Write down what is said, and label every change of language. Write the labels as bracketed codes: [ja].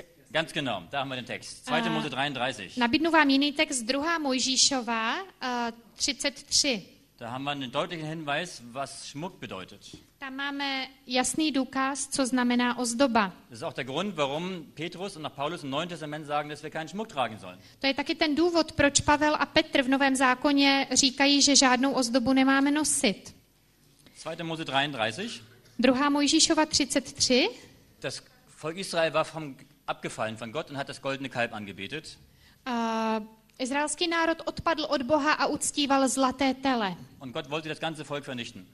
[de] Ganz genau, da haben wir den Text. 2. Mose 33. [cs] Nabídnu vám jiný text, 2. Mojžíšová 33. [de] Da haben wir einen deutlichen Hinweis, was Schmuck bedeutet. [cs] Tam máme jasný důkaz, co znamená ozdoba. [de] Das ist auch der Grund, warum Petrus und auch Paulus im Neuen Testament sagen, dass wir keinen Schmuck tragen sollen. [cs] To je taky ten důvod, proč Pavel a Petr v Novém zákoně říkají, že žádnou ozdobu nemáme nosit. [de] 2. Mose 33. [cs] 2. Mojžíšova 33. [de] Das Volk Israel war vom abgefallen von Gott und hat das goldene Kalb angebetet. [cs] Izraelský národ odpadl od Boha a uctíval zlaté tele. [de] Und Gott wollte das ganze Volk vernichten.